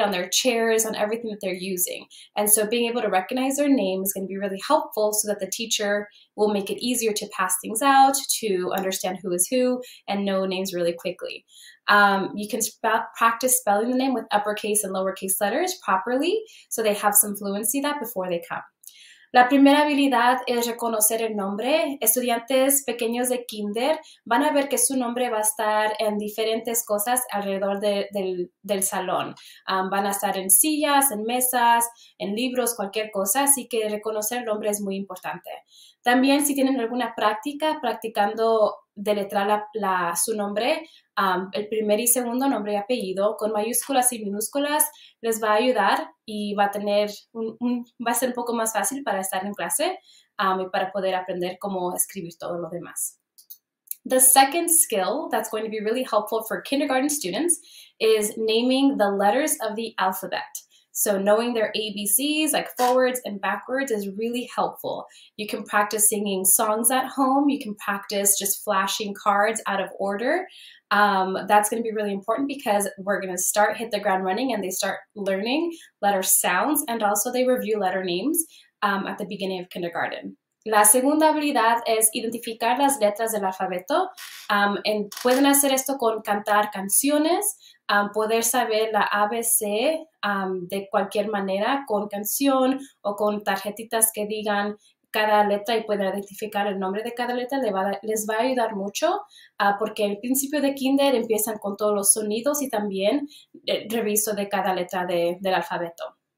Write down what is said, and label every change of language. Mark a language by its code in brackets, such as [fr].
[en] On their chairs, on everything that they're using. And so being able to recognize their name is going to be really helpful so that the teacher will make it easier to pass things out, to understand who is who, and know names really quickly. You can practice spelling the name with uppercase and lowercase letters properly so they have some fluency that before they come. [es] La primera habilidad es reconocer el nombre. Estudiantes pequeños de kinder van a ver que su nombre va a estar en diferentes cosas alrededor del salón. Van a estar en sillas, en mesas, en libros, cualquier cosa, así que reconocer el nombre es muy importante. También si tienen alguna práctica practicando deletrear su nombre, el primer y segundo nombre y apellido con mayúsculas y minúsculas les va a ayudar y va a tener va a ser un poco más fácil para estar en clase y para poder aprender cómo escribir todo lo demás. [en] The second skill that's going to be really helpful for kindergarten students is naming the letters of the alphabet. So knowing their ABCs, like forwards and backwards, is really helpful. You can practice singing songs at home. You can practice just flashing cards out of order. That's going to be really important because we're going to start hit the ground running and they start learning letter sounds and also they review letter names at the beginning of kindergarten. [es] La segunda habilidad es identificar las letras del alfabeto. Pueden hacer esto con cantar canciones. Poder saber la ABC de cualquier manera con canción o con tarjetitas que digan cada letra y poder identificar el nombre de cada letra les va a ayudar mucho porque al principio de kinder empiezan con todos los sonidos y también el reviso de cada letra del alfabeto.